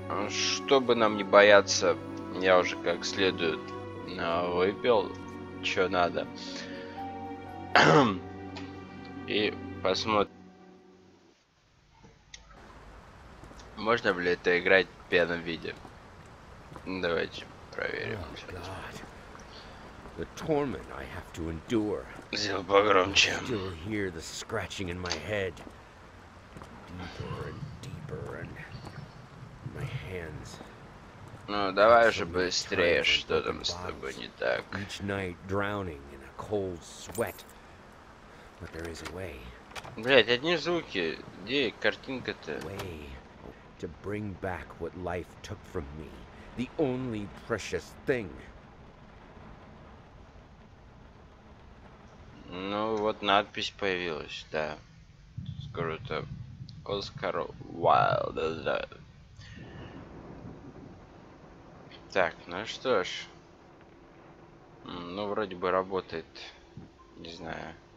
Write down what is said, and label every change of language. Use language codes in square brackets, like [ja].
[ru] Чтобы нам не бояться, я уже как следует выпил, что надо. И посмотрим. Можно, блять, это играть в пьяном виде? Давайте проверим. [en] The torment I have to endure. [ru] Сделал погромче. [en] I still hear the scratching in my head. Deeper and deeper and my hands. [ru] Ну давай же быстрее, что там с тобой не так? [en] Each night drowning in a cold sweat. But there is a way. [ru] Блять, одни звуки. Где картинка-то? [en] Way to bring back what life took from me. The only precious thing. [ru] Ну вот надпись появилась, да. Скоро-то Оскар Уайлд, да. Так, ну что ж. Ну вроде бы работает. Не знаю.